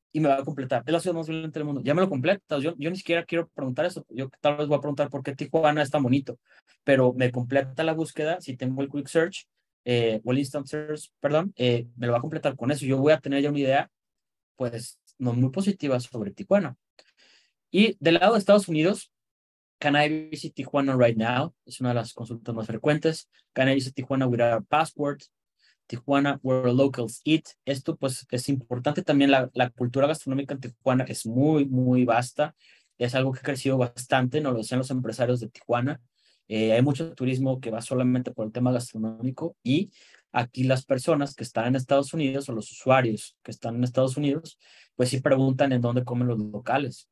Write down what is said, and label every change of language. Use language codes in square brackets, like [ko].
[es] Y me va a completar, es la ciudad más violenta del mundo, ya me lo completa, yo ni siquiera quiero preguntar eso, yo tal vez voy a preguntar por qué Tijuana es tan bonito, pero me completa la búsqueda si tengo el Quick Search. [en] Well, [es] instant search, perdón, me lo va a completar con eso. Yo voy a tener ya una idea, pues, no muy positiva sobre Tijuana. Y del lado de Estados Unidos, [en] Can I visit Tijuana right now? [es] Es una de las consultas más frecuentes. [en] Can I visit Tijuana without a passport? Tijuana, where locals eat. [es] Esto, pues, es importante también. La cultura gastronómica en Tijuana es muy, muy vasta. Es algo que ha crecido bastante, nos lo decían los empresarios de Tijuana. Hay mucho turismo que va solamente por el tema gastronómico y aquí las personas que están en Estados Unidos o los usuarios que están en Estados Unidos, pues sí preguntan en dónde comen los locales.